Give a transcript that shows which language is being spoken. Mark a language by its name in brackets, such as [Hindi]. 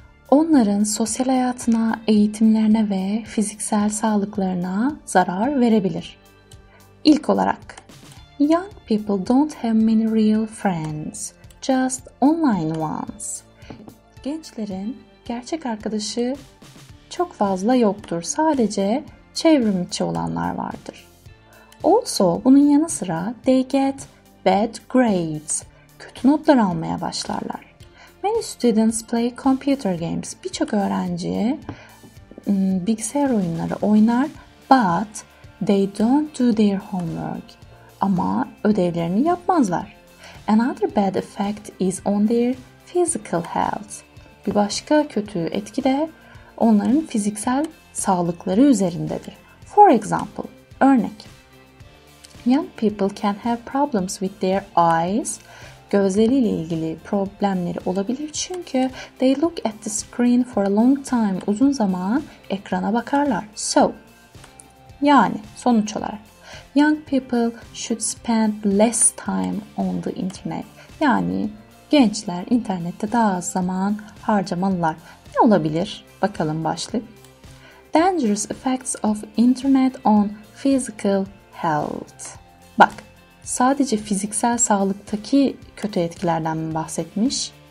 [Turkish] Onların sosyal hayatına, eğitimlerine ve fiziksel sağlıklarına zarar verebilir. İlk olarak, [English] young people don't have many real friends, just online ones. [Turkish] Gençlerin gerçek arkadaşı çok fazla yoktur. Sadece çevrim içi olanlar vardır. [English] Also, [Turkish] bunun yanı sıra [English] they get bad grades. [Turkish] Kötü notlar almaya başlarlar. [English] Many students play computer games. [Turkish] Birçok öğrenci bilgisayar oyunları oynar, [English] but they don't do their homework. [Turkish] Ama ödevlerini yapmazlar. [English] Another bad effect is on their physical health. [Turkish] Bir başka kötü etki de onların fiziksel sağlıkları üzerindedir. [English] For example, [Turkish] örnek. [English] Young people can have problems with their eyes. [Turkish] Gözleriyle ilgili problemleri olabilir çünkü [English] they look at the screen for a long time, [Turkish] uzun zaman ekrana bakarlar. [English] So, [Turkish] yani sonuç olarak, [English] young people should spend less time on the internet. [Turkish] Yani gençler internette daha az zaman harcamalılar. Ne olabilir? Bakalım başlık. [English] Dangerous effects of internet on physical health. [Turkish] Bak, sadece fiziksel sağlıktaki kötü etkilerden mi bahsetmiş?